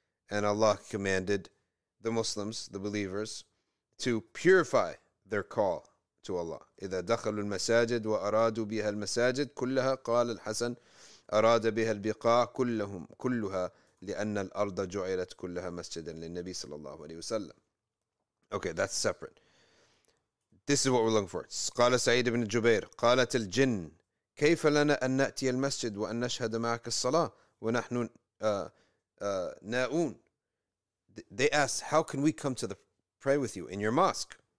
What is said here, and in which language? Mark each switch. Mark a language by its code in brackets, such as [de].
[en] And Allah commanded the Muslims, the believers, to purify their call to Allah. [ar] إذا دخلوا المساجد وأرادوا بها المساجد كلها قال الحسن أراد بها البقاع كلهم كلها لأن الأرض جعلت كلها مسجدا للنبي صلى الله عليه وسلم. [en] Okay, that's separate. This is what we're looking for. [ar] قال سعيد بن جبير قالت الجن كيف لنا أن نأتي المسجد وأن نشهد معك الصلاة ونحن ناؤون. [en] They asked, how can we come to the pray with you in your mosque?